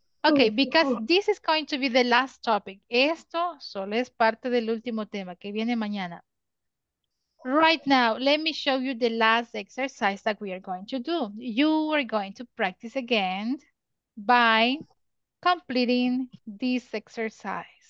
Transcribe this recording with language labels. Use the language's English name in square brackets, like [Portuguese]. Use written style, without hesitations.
[English] Okay, because this is going to be the last topic. [Spanish] Esto solo es parte del último tema que viene mañana. [English] Right now, let me show you the last exercise that we are going to do. You are going to practice again by completing this exercise.